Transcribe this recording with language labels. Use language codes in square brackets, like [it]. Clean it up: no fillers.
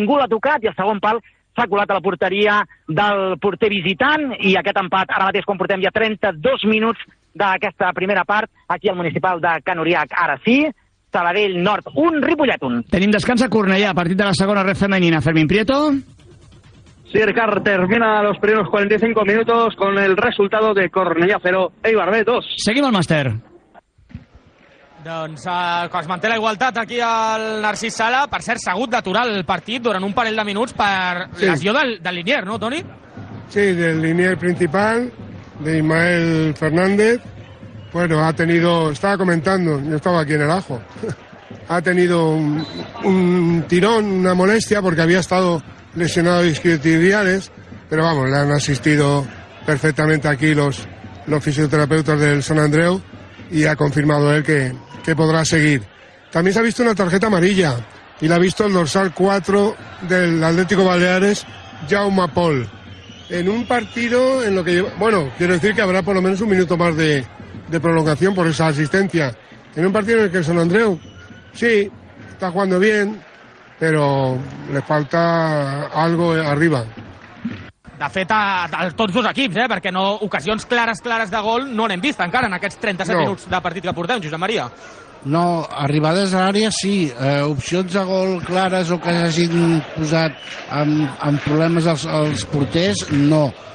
[ca] Ningú l'ha tocat i el segon pal s'ha colat a la porteria del porter visitant, i aquest empat, ara mateix, quan portem ja 32 minuts d'aquesta primera part, aquí al Municipal de Can Oriac, ara sí, Sabadell Nord 1, Ripollet 1. Tenim descans a Cornellà, a partir de la segona ref femenina. Fermín Prieto. [es] Sí, Ricard, termina los primeros 45 minutos con el resultado de Cornellà 0, Eibar B 2. [ca] Seguim el màster. Doncs es manté la igualtat aquí al Narcís Sala. Per cert, s'ha hagut d'aturar el partit durant un parell de minuts per lesió del linier, no, Toni? Sí, del linier principal, de Ismael Fernández. [es] Bueno, ha tenido, estaba comentando, yo estaba aquí en el ajo, ha tenido un tirón, una molestia, porque había estado lesionado de isquiotibiales, pero vamos, le han asistido perfectamente aquí los fisioterapeutas del San Andreu, y ha confirmado él que podrá seguir. También se ha visto una tarjeta amarilla, y la ha visto el dorsal 4 del Atlético Baleares, Jaume Pol, en un partido en lo que, bueno, quiero decir que habrá por lo menos un minuto más de prolongación por esa asistencia. En un partido en el que el San Andreu, sí, está jugando bien, pero le falta algo arriba. [ca] De fet, a tots dos equips, perquè no, ocasions clares de gol no n'hem vist encara en aquests 37 minuts de partit que portem, Josep Maria. No, arribades a l'àrea sí, opcions de gol clares o que hagin posat en problemes els porters, no.